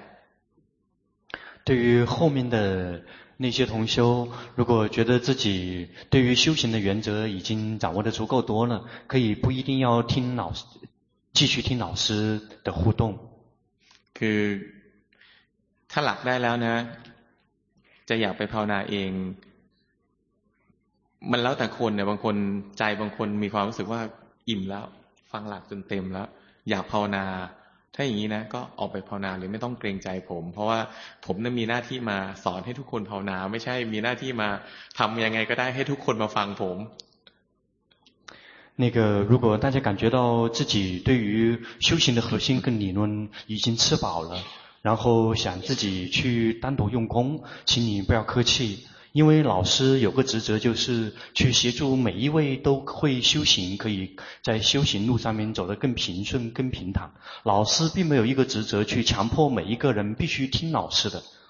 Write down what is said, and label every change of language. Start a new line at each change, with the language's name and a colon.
Chinese: 对于后面的那些同修如果觉得自己对于修行的原则已经掌握的足够多了可以不一定要听老师继续听老师的互动
Thai: คือถ้าหลักได้แล้วนะจะอยากไปภาวนาเองมันแล้วแต่คนเนี่ยบางคนใจบางคนมีความรู้สึกว่าอิ่มแล้วฟังหลักจนเต็มแล้วอยากภาวนาถ้าอย่างนี้นะก็ออกไปภาวนาหรือไม่ต้องเกรงใจผมเพราะว่าผมเนี่ยมีหน้าที่มาสอนให้ทุกคนภาวนาไม่ใช่มีหน้าที่มาทำยังไงก็ได้ให้ทุกคนมาฟังผม
Chinese: 那个如果大家感觉到自己对于修行的核心跟理论已经吃饱了然后想自己去单独用功请你不要客气因为老师有个职责就是去协助每一位都会修行可以在修行路上面走得更平顺更平坦老师并没有一个职责去强迫每一个人必须听老师的